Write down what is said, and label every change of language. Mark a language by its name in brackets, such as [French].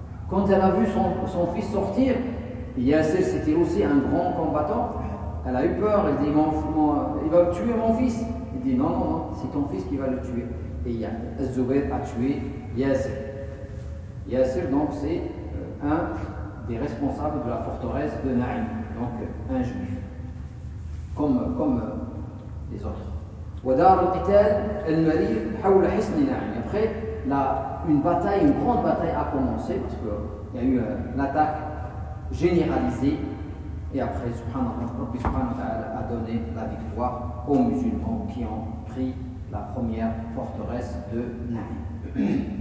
[French] Quand elle a vu son fils sortir, Yasser c'était aussi un grand combattant, elle a eu peur, elle dit il va tuer mon fils. Il dit non, c'est ton fils qui va le tuer. Et Zubayr a tué Yasser. Yasser donc c'est un des responsables de la forteresse de Na'im, donc un juif, comme les autres. [Arabic] ودار القتال المرير حول حصن نعيم. [French] Après là, une grande bataille a commencé parce que il y a eu une attaque généralisée et après subhanallah a donné la victoire aux musulmans qui ont pris la première forteresse de Na'im.